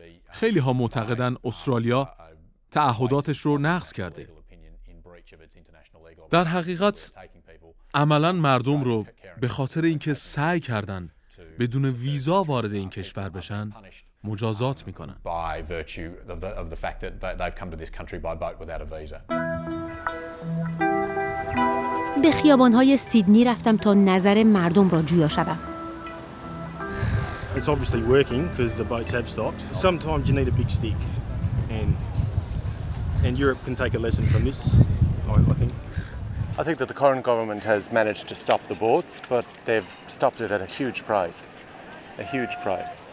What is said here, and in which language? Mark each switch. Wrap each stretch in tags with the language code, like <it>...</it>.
<fa>خیلی ها معتقدن استرالیا تعهداتش رو نقض کرده. در حقیقت عملا مردم رو به خاطر اینکه سعی کردن بدون ویزا وارد این کشور بشن مجازات میکنن.</fa> <en>By virtue of the fact that they've come to this country by boat without a visa.</en> <fa>به خیابان‌های سیدنی رفتم تا نظر مردم را جویا شوم.</fa> <en>It's obviously working because the boats have stopped. Sometimes you need a big stick. And Europe can take a lesson from this, I think that the current government has managed to stop the boats, but they've stopped it at a huge price. A huge price.</en>